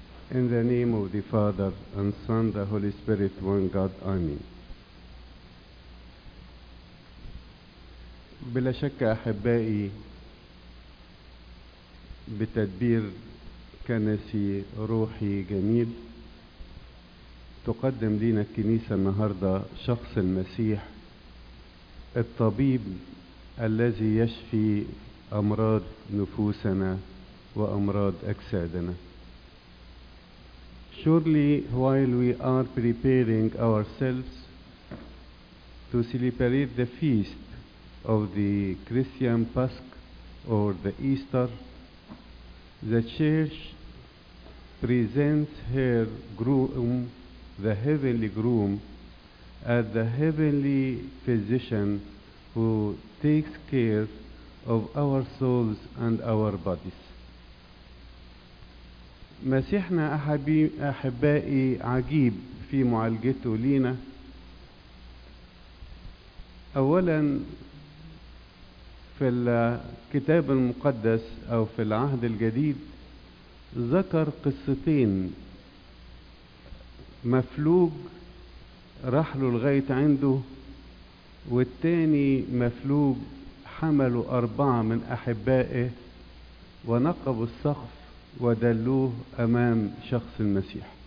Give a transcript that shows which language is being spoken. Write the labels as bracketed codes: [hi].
[en] In the name of the Father, and Son, the Holy Spirit, one God, Amen. [ar] بلا شك أحبائي بتدبير كنسي روحي جميل تقدم لنا الكنيسة النهاردة شخص المسيح الطبيب الذي يشفي أمراض نفوسنا وأمراض أجسادنا. [en] Surely, while we are preparing ourselves to celebrate the feast of the Christian Pasch or the Easter, the Church presents her groom, the heavenly groom, as the heavenly physician who takes care of our souls and our bodies. [ar] مسيحنا أحبائي عجيب في معالجته لينا. أولا في الكتاب المقدس أو في العهد الجديد ذكر قصتين، مفلوج رحلوا لغاية عنده، والتاني مفلوج حملوا 4 من أحبائه ونقبوا السقف ودلوه أمام شخص المسيح.